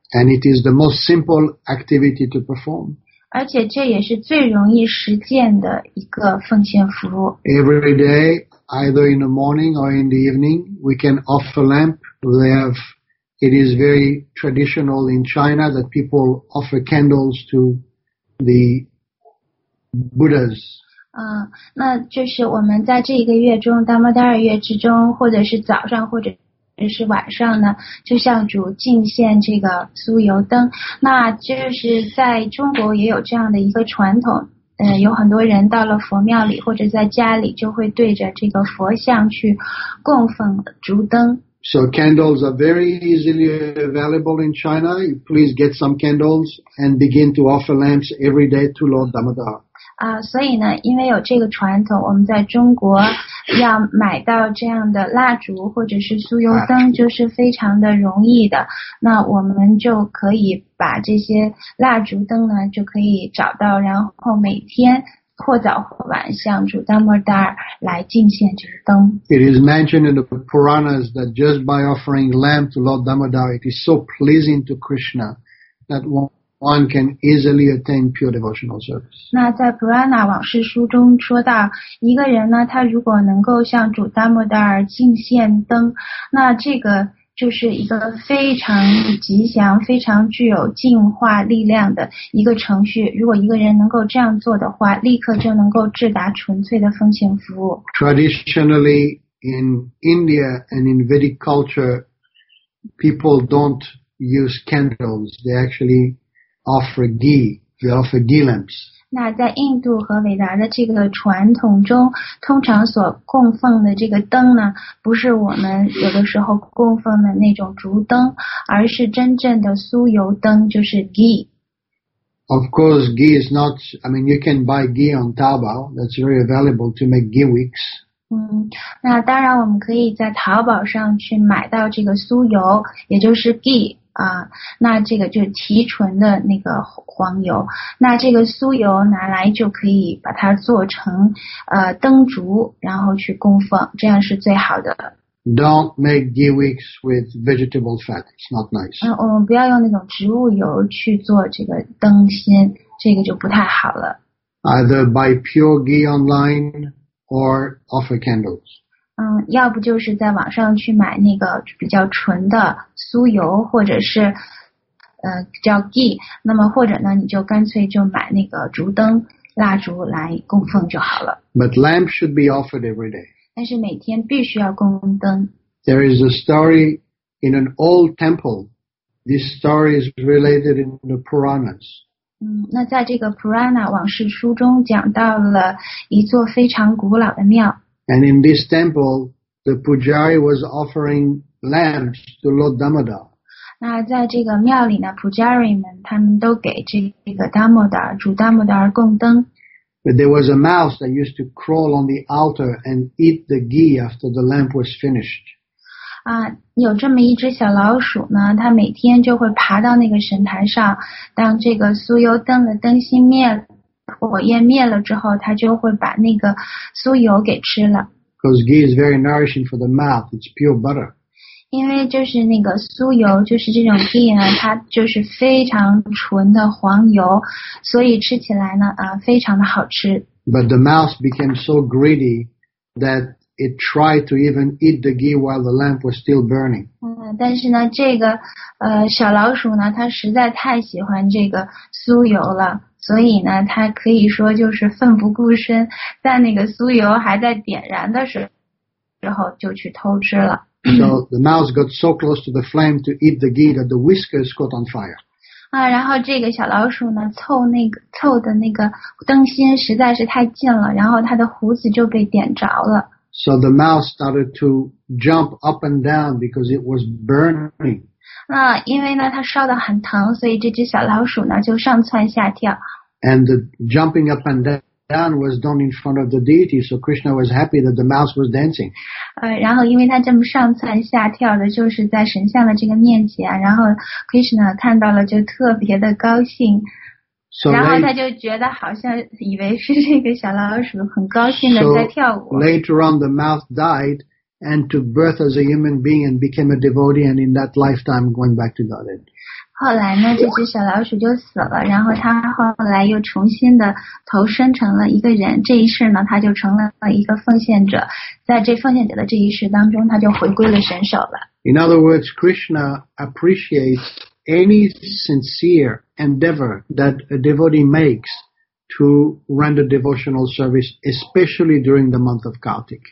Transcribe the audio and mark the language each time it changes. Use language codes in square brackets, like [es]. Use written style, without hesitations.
[en] And it is the most simple activity to perform. [zh] 而且这也是最容易实践的一个奉献服务。 [en] Every day, either in the morning or in the evening, we can offer lamp. It is very traditional in China that people offer candles to the Buddhas. [zh] 那就是我们在这一个月中，达摩达尔月之中，或者是早上，或者是晚上呢，就向主敬献这个酥油灯。那就是在中国也有这样的一个传统，有很多人到了佛庙里或者在家里，就会对着这个佛像去供奉烛灯。 [en] So candles are very easily available in China. Please get some candles and begin to offer lamps every day to Lord Damodar. [zh] 所以呢，因为有这个传统，我们在中国要买到这样的蜡烛或者是酥油灯就是非常的容易的。那我们就可以把这些蜡烛灯呢，就可以找到，然后每天或早或晚向主达摩达尔来敬献这个灯。 [en] It is mentioned in the Puranas that just by offering lamp to Lord Damodar, it is so pleasing to Krishna that one can easily attain pure devotional service. [zh] 那在 Purana 往事书中说到，一个人呢，他如果能够向主达摩达尔敬献灯，那这个就是一个非常吉祥、非常具有净化力量的一个程序。如果一个人能够这样做的话，立刻就能够至达纯粹的奉献服务。 [en] Traditionally, in India and in Vedic culture, people don't use candles. They actually offer ghee. They offer ghee lamps. [zh] 那在印度和伟达的这个传统中，通常所供奉的这个灯呢，不是我们有的时候供奉的那种烛灯，而是真正的酥油灯，就是 ghee。 [en] Of course, ghee is not. I mean, you can buy ghee on Taobao. That's very available to make ghee wicks. [zh] 那当然，我们可以在淘宝上去买到这个酥油，也就是 ghee。那这个就是提纯的那个黄油，那这个酥油拿来就可以把它做成灯烛，然后去供奉，这样是最好的。 [en] Don't make ghee weeks with vegetable fat. It's not nice. [zh] 我们不要用那种植物油去做这个灯芯，这个就不太好了。 [en] Either buy pure ghee online or offer candles. [zh] 要不就是在网上去买那个比较纯的酥油，或者是叫 ghee。那么或者呢，你就干脆就买那个烛灯、蜡烛来供奉就好了。 [en] But lamps should be offered every day. [zh] 但是每天必须要供灯。 [en] There is a story in an old temple. This story is related in the Puranas. [zh] 那在这个 Purana 往事书中讲到了一座非常古老的庙。 [en] And in this temple, the Pujari was offering lamps to Lord Damodar. [zh] 那在这个庙里呢 ，Pujari 们他们都给这个 Damodar 主 Damodar 供灯。 [en] But there was a mouse that used to crawl on the altar and eat the ghee after the lamp was finished. [zh] 有这么一只小老鼠呢，它每天就会爬到那个神坛上，当这个酥油灯的灯芯灭，火焰灭了之后，它就会把那个酥油给吃了。 [en] Because ghee is very nourishing for the mouth, it's pure butter. [zh] 因为就是那个酥油，就是这种 ghee 呢，它就是非常纯的黄油，所以吃起来呢，非常的好吃。 [en] But the mouse became so greedy that it tried to even eat the ghee while the lamp was still burning. [zh] 但是呢，这个小老鼠呢，它实在太喜欢这个酥油了，所以呢，它可以说就是奋不顾身，在那个酥油还在点燃的时候就去偷吃了。 [en] So the mouse got so close to the flame to eat the ghee that the whiskers caught on fire. [zh] 然后这个小老鼠呢，凑的那个灯芯实在是太近了，然后它的胡子就被点着了。 [en] So the mouse started to jump up and down because it was burning. [zh] 因为呢，它烧得很疼，所以这只小老鼠呢就上蹿下跳。 [en] And the jumping up and down was done in front of the deity, so Krishna was happy that the mouse was dancing. [zh] 然后因为他这么上蹿下跳的，就是在神像的这个面前，然后 Krishna 看到了就特别的高兴。 [en] So、 [zh] 然后他就觉得好像以为是这个小老鼠很高兴的在跳舞。 [en] So later on, the mouse died and took birth as a human being and became a devotee, and in that lifetime, going back to Godhead. [zh] 后来呢，这只小老鼠就死了，然后它后来又重新的投身成了一个人。这一世呢，它就成了一个奉献者，在这奉献者的这一世当中，它就回归了神手了。 [en] In other words, Krishna appreciates any sincere endeavor that a devotee makes to render devotional service, especially during the month of Kartik.